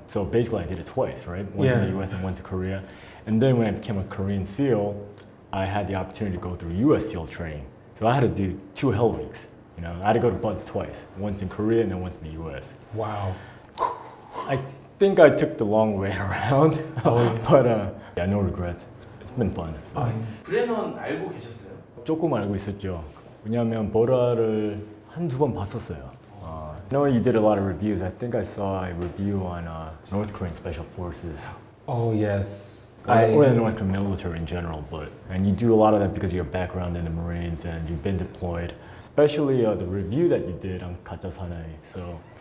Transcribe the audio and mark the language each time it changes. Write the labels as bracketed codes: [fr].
[en] So basically, I did it twice, right? Once in the U.S. and once in Korea. And then when I became a Korean SEAL, I had the opportunity to go through U.S. SEAL training. So I had to do 2 hell weeks. You know, I had to go to BUDS twice, once in Korea and then once in the U.S. Wow. I think I took the long way around, but yeah, no regrets. It's been fun. [ko] 브랜은 알고 계셨어요? 조금 알고 있었죠. 왜냐하면 보라를 한두 번 봤었어요. [en] I know you did a lot of reviews. I think I saw a review on North Korean Special Forces. Oh, yes. Or the North Korean military in general, but... And you do a lot of that because of your background in the Marines and you've been deployed. Especially the review that you did on 가짜사나이, so...